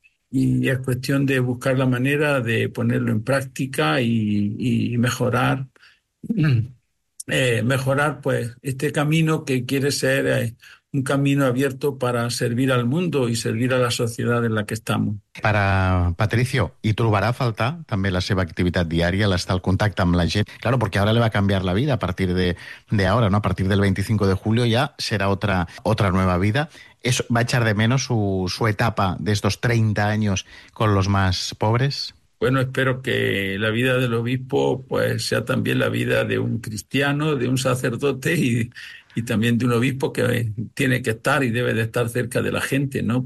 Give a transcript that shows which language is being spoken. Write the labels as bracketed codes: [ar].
[es] Y es cuestión de buscar la manera de ponerlo en práctica y mejorar, mejorar pues este camino que quiere ser. Un camino abierto para servir al mundo y servir a la sociedad en la que estamos. [ca] Para Patricio, ¿y trobarà falta també la seva activitat diària, l'estar al contacte amb la gent? [es] Claro, porque ahora le va a cambiar la vida a partir de ahora, ¿no? A partir del 25 de julio ya será otra nueva vida. ¿Eso va a echar de menos su etapa de estos 30 años con los más pobres? Bueno, espero que la vida del obispo pues sea también la vida de un cristiano, de un sacerdote y también de un obispo que tiene que estar y debe de estar cerca de la gente, ¿no?